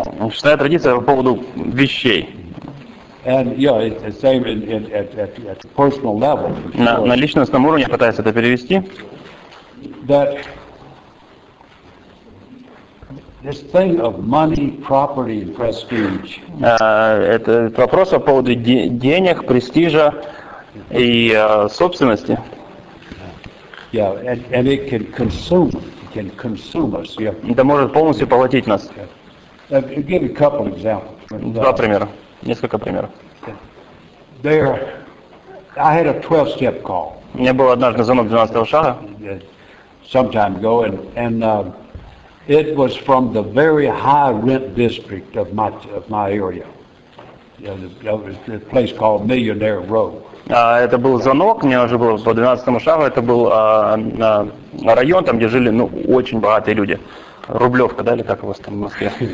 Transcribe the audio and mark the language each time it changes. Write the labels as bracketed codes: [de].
[ru] Шестая традиция по поводу вещей. [en] And you know, it's the same at personal level. [ru] На личностном уровне пытаюсь это перевести. [en] That this thing of money, property, and prestige. [ru] Это вопрос о поводу денег, престижа и собственности. [en] Yeah, and it can consume. It can consume us. Yeah. [ru] Это может полностью поглотить нас. [en] I'll give you a couple examples. [ru] Два примера. Несколько примеров. [en] There, I had a 12-step call. [ru] У меня был однажды звонок 12-го шага. [en] Some time ago, and it was from the very high rent district of my area. You know, the place called Millionaire Row. [ru] Это был звонок. Мне уже было по 12-му шагу. Это был район, там где жили очень богатые люди. Рублевка, да, или как у вас там в Москве?